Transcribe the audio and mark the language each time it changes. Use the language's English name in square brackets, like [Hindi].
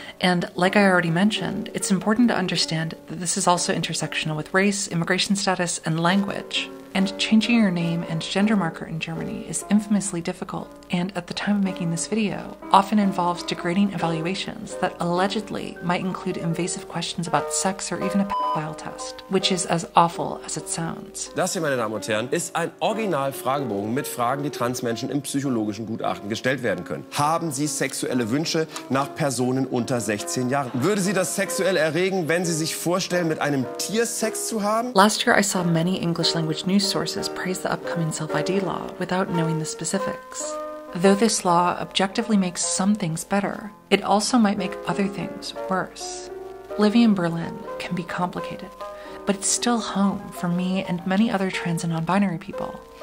[English] And like I already mentioned, it's important to understand that this is also intersectional with race, immigration status, and language. And changing your name and gender marker in Germany is infamously difficult, and at the time of making this video, often involves degrading evaluations that allegedly might include invasive questions about sex or even a pedophile test, which is as awful as it sounds. [German] Das hier, meine Damen und Herren, ist ein Original-Fragebogen mit Fragen, die Transmenschen im psychologischen Gutachten gestellt werden können. Haben Sie sexuelle Wünsche nach Personen unter 16 Jahren? Würde Sie das sexuell erregen, wenn Sie sich vorstellen, mit einem Tier Sex zu haben? [English] Last year I saw many English language news sources praise the upcoming self-ID law without knowing the specifics. Though this law objectively makes some things better, it also might make other things worse. Living in Berlin can be complicated, but it's still home for me and many other trans and non-binary people.